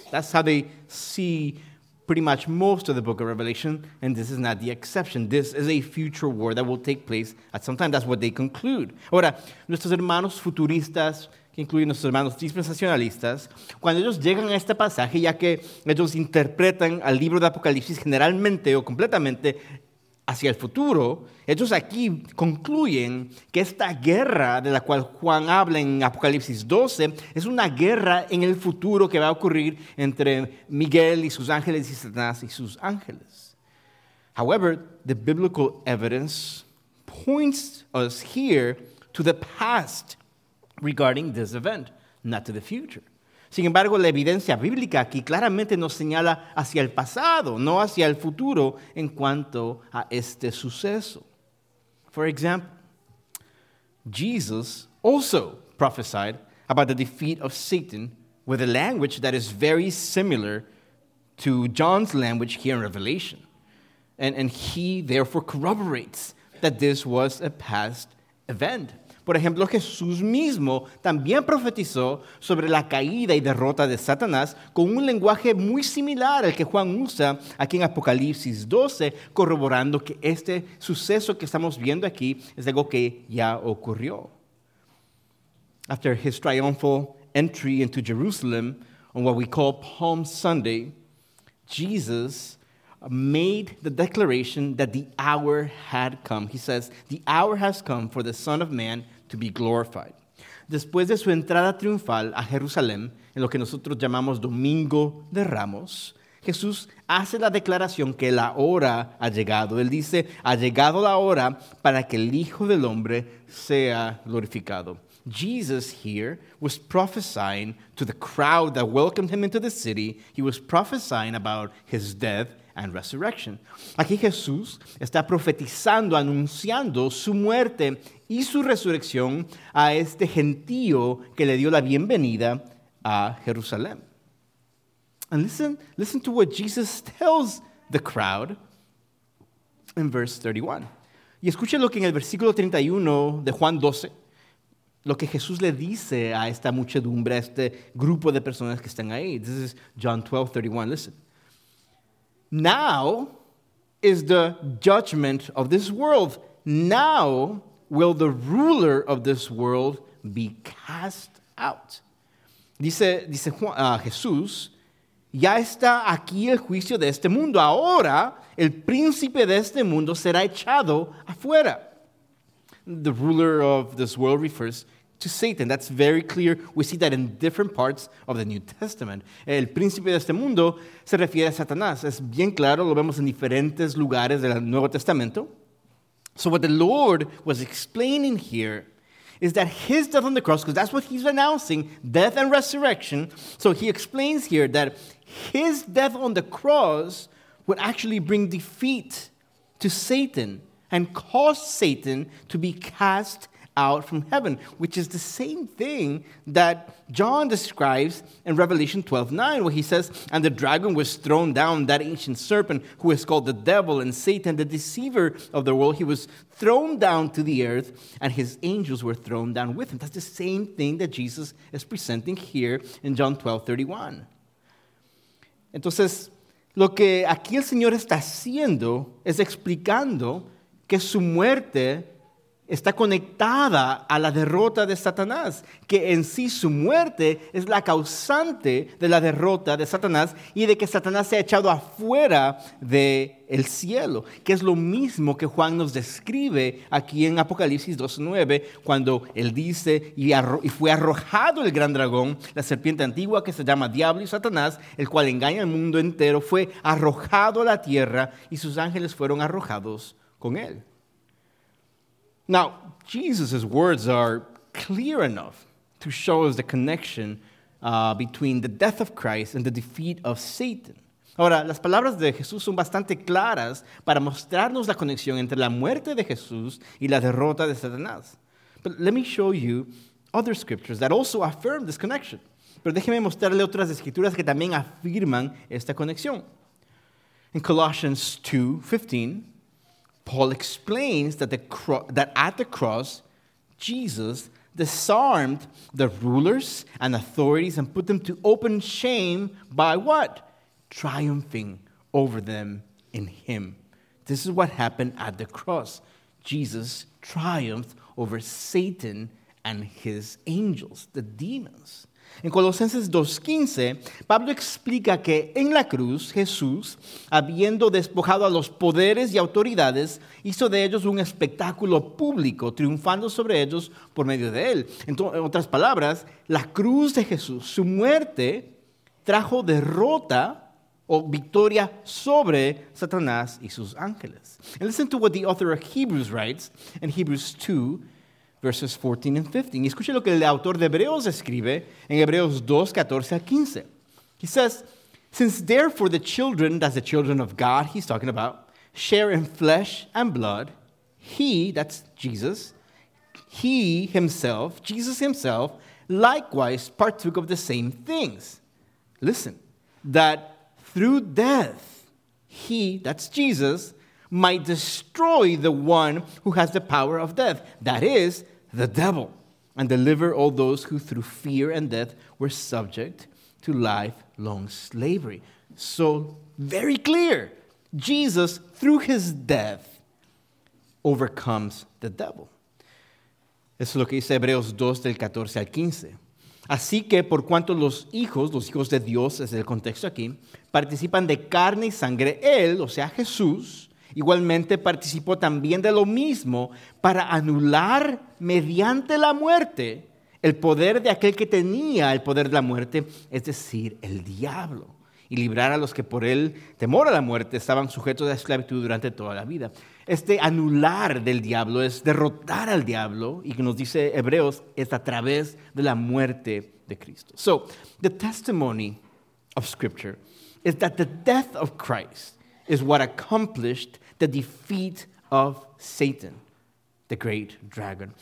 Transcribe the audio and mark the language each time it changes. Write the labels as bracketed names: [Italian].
[English] That's how they see pretty much most of the book of Revelation, and this is not the exception. This is a future war that will take place at some time. That's what they conclude. [Spanish] Ahora, nuestros hermanos futuristas, que incluyen nuestros hermanos dispensacionalistas, cuando ellos llegan a este pasaje, ya que ellos interpretan al libro de Apocalipsis generalmente o completamente hacia el futuro, ellos aquí concluyen que esta guerra de la cual Juan habla en Apocalipsis 12 es una guerra en el futuro que va a ocurrir entre Miguel y sus ángeles y Satanás y sus ángeles. [English] However, the biblical evidence points us here to the past regarding this event, not to the future. [Spanish] Sin embargo, la evidencia bíblica aquí claramente nos señala hacia el pasado, no hacia el futuro en cuanto a este suceso. [English] For example, Jesus also prophesied about the defeat of Satan with a language that is very similar to John's language here in Revelation. And he therefore corroborates that this was a past event. [Spanish] Por ejemplo, Jesús mismo también profetizó sobre la caída y derrota de Satanás con un lenguaje muy similar al que Juan usa aquí en Apocalipsis 12, corroborando que este suceso que estamos viendo aquí es algo que ya ocurrió. [English] After his triumphal entry into Jerusalem on what we call Palm Sunday, Jesus made the declaration that the hour had come. He says, "The hour has come for the Son of Man to be glorified." [Spanish] Después de su entrada triunfal a Jerusalén, en lo que nosotros llamamos Domingo de Ramos, Jesús hace la declaración que la hora ha llegado. Él dice, ha llegado la hora para que el Hijo del Hombre sea glorificado. [English] Jesus here was prophesying to the crowd that welcomed him into the city. He was prophesying about his death and resurrection. [Spanish] Aquí Jesús está profetizando, anunciando su muerte y su resurrección a este gentío que le dio la bienvenida a Jerusalén. [English] And listen to what Jesus tells the crowd in verse 31. [Spanish] Y escuchen lo que en el versículo 31 de Juan 12, lo que Jesús le dice a esta muchedumbre, a este grupo de personas que están ahí. [English] This is John 12, 31. Listen. "Now is the judgment of this world. Now will the ruler of this world be cast out." [Spanish] Dice Jesús, "Ya está aquí el juicio de este mundo. Ahora el príncipe de este mundo será echado afuera." [English] The ruler of this world refers to Satan. That's very clear. We see that in different parts of the New Testament. [Spanish] El príncipe de este mundo se refiere a Satanás. Es bien claro, lo vemos en diferentes lugares del Nuevo Testamento. [English] So what the Lord was explaining here is that his death on the cross, because that's what he's announcing, death and resurrection. So he explains here that his death on the cross would actually bring defeat to Satan and cause Satan to be cast out from heaven, which is the same thing that John describes in Revelation 12:9, where he says, "And the dragon was thrown down, that ancient serpent who is called the devil and Satan, the deceiver of the world. He was thrown down to the earth, and his angels were thrown down with him." That's the same thing that Jesus is presenting here in John 12:31. [Spanish] Entonces, lo que aquí el Señor está haciendo es explicando que su muerte está conectada a la derrota de Satanás, que en sí su muerte es la causante de la derrota de Satanás y de que Satanás sea echado afuera del cielo, que es lo mismo que Juan nos describe aquí en Apocalipsis 2:9, cuando él dice, y fue arrojado el gran dragón, la serpiente antigua que se llama Diablo y Satanás, el cual engaña al mundo entero, fue arrojado a la tierra y sus ángeles fueron arrojados con él. [English] Now, Jesus' words are clear enough. to show us the connection between the death of Christ and the defeat of Satan. [Spanish] Ahora, las palabras de Jesús son bastante claras para mostrarnos la conexión entre la muerte de Jesús y la derrota de Satanás. [English] But let me show you other scriptures that also affirm this connection. [Spanish] Pero déjeme mostrarle otras escrituras que también afirman esta conexión. [English] In Colossians 2:15, Paul explains that at the cross, Jesus disarmed the rulers and authorities and put them to open shame by what? Triumphing over them in him. This is what happened at the cross. Jesus triumphed over Satan and his angels, the demons. [Spanish] En Colosenses 2:15, Pablo explica que en la cruz, Jesús, habiendo despojado a los poderes y autoridades, hizo de ellos un espectáculo público, triunfando sobre ellos por medio de él. Entonces, en otras palabras, la cruz de Jesús, su muerte, trajo derrota o victoria sobre Satanás y sus ángeles. [English] And listen to what the author of Hebrews writes in Hebrews 2, verses 14 and 15. [Spanish] Y escuche lo que el autor de Hebreos escribe en Hebreos 2, 14 a 15. [English] He says, "Since therefore the children, that's the children of God he's talking about, share in flesh and blood, Jesus himself, likewise partook of the same things." Listen, "that through death, he," that's Jesus, "might destroy the one who has the power of death, that is, the devil, and deliver all those who through fear and death were subject to lifelong slavery." So, very clear, Jesus, through his death, overcomes the devil. [Spanish] Eso es lo que dice Hebreos 2, del 14 al 15. "Así que por cuanto los hijos de Dios, es el contexto aquí, participan de carne y sangre, él, o sea Jesús, igualmente participó también de lo mismo para anular mediante la muerte el poder de aquel que tenía el poder de la muerte, es decir, el diablo, y librar a los que por el temor a la muerte estaban sujetos a esclavitud durante toda la vida." Este anular del diablo es derrotar al diablo, y que nos dice Hebreos, es a través de la muerte de Cristo. [English] So, the testimony of Scripture is that the death of Christ is what accomplished the defeat of Satan, the great dragon.